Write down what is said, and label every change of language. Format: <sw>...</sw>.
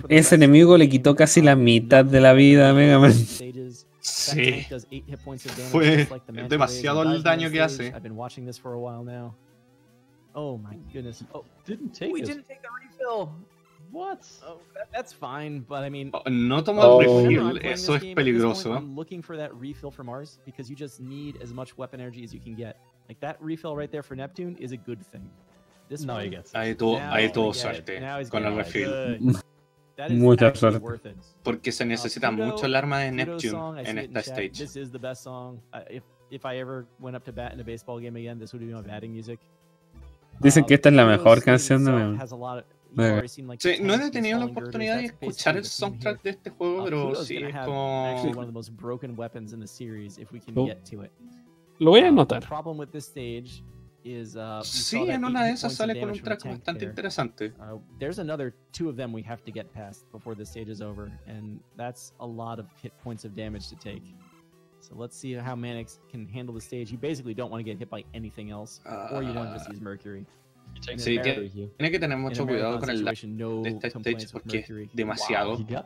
<es>ese enemigo le quitó casi la mitad de la vida a Mega Man. Sí. Fue demasiado el daño que hace.</es> <en>I've been watching this for a while now. Oh my goodness. Oh, didn't take it. We didn't take the refill. What? Oh, that's fine, but I mean,</en> <es>no tomó el refill, eso es peligroso.</es> <en>I'm looking for that refill from Mars because you just need as much weapon energy as you can get. Like that refill right there for Neptune is a good thing. No, he gets it.</en> <es>Ahí tuvo suerte con el refill. mucha suerte. Porque se necesita mucho el arma de Neptune en esta stage.</es> <en>This is the best song. If I ever went up to bat in a baseball game again, this would be my batting music.</en> <es>Dicen que esta es la mejor canción de Neptune. Sí, no he tenido la oportunidad de escuchar el soundtrack de este juego, pero sí es como</es> <en>one of the most broken weapons in the series if we can get to it.</en> <es>Lo voy a anotar.</es> <en>The problem with this stage is</en> <es>sí, en una de esas sale con un track bastante interesante.</es> <en>There's another two of them we have to get past before this stage is over, and that's a lot of hit points of damage to take. So let's see how Mannix can handle the stage. You basically don't want to get hit by anything else, or you want to just use Mercury.</en> <es>Sí, tiene que tener mucho cuidado con el daño de esta stage porque es demasiado.</es>